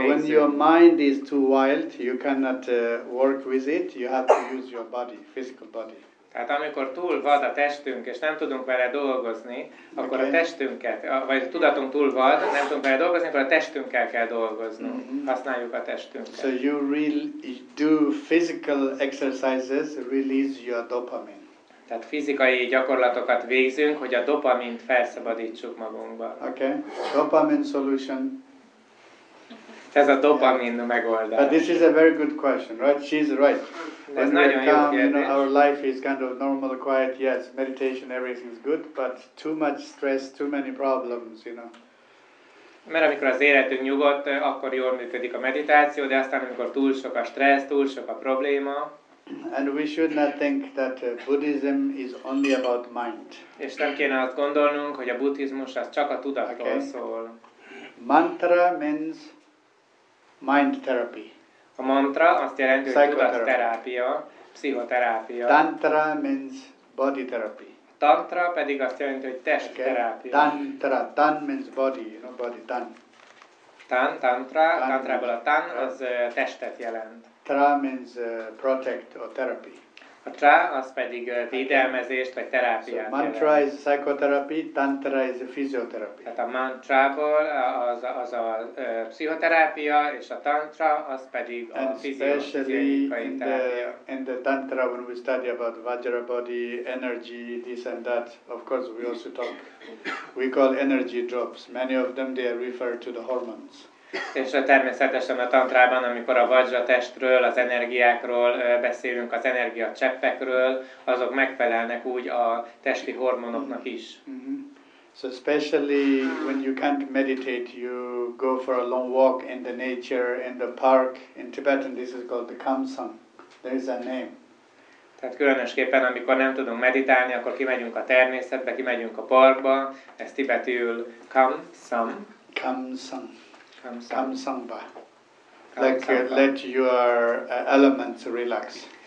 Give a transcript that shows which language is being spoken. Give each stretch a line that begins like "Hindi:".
English: So when your mind is too wild, you cannot work with it. You have to use your body, physical body.
Hungarian: Hát amikor túl vad a testünk, és nem tudunk vele dolgozni, akkor
English: okay.
Hungarian: A testünket, vagy a tudatunk túl vad, nem tudunk vele dolgozni, akkor a testünkkel kell dolgozni. Mm-hmm. Használjuk a testünket.
English: So you do physical exercises, release your dopamine.
Hungarian: Tehát fizikai gyakorlatokat végzünk, hogy a dopamint felszabadítsuk magunkba.
English: Okay, dopamine solution.
Hungarian: Ez a dopamin
English: yeah.
Hungarian: Megoldás.
English: But this is a very good question, right? She's right.
Hungarian: Ez nagyon jó kérdés.
English: You know, our life is kind of normal, quiet, yes, meditation, everything is good, but too much stress, too many problems, you know.
Hungarian: Mert amikor az életünk nyugodt, akkor jól működik a meditáció, de aztán amikor túl sok a stressz, túl sok a probléma.
English: And we should not think that Buddhism is only about mind.
Hungarian: És nem kéne azt gondolnunk, hogy a buddhizmus az csak a tudatról
English: okay.
Hungarian: Szól.
English: Mantra means mind therapy.
Hungarian: A mantra azt jelenti, hogy tudatterápia, pszichoterápia.
English: Tantra means body therapy.
Hungarian: A tantra pedig azt jelenti, hogy testterápia.
English: Tantra, tan means body, you know, body, tan.
Hungarian: Tan, tantra, tan tantrából a tan, az testet jelent.
English: Tra means protect or therapy.
Hungarian: A tra az pedig védelmezést vagy terápiát.
English: So mantra
Hungarian: jelent.
English: Is psychotherapy, tantra is physiotherapy.
Hungarian: Tehát a mantrából az a pszichoterápia és a tantra az pedig
English: and
Hungarian: a fiziológiai terápia.
English: In the tantra when we study about vajra body, energy, this and that, of course we also talk, we call energy drops. Many of them they refer to the hormones.
Hungarian: És természetesen a tantrában, amikor a vajra testről, az energiákról beszélünk, az energia cseppekről, azok megfelelnek úgy a testi hormonoknak is. Mm-hmm.
English: So especially when you can't meditate, you go for a long walk in the nature, in the park. In Tibetan this is called the Kamsang. There is a name.
Hungarian: Tehát különösképpen, amikor nem tudunk meditálni, akkor kimegyünk a természetbe, kimegyünk a parkba. Ez tibetül Kamsang.
English: Kamsang. Kamsamba. Like let your elements relax.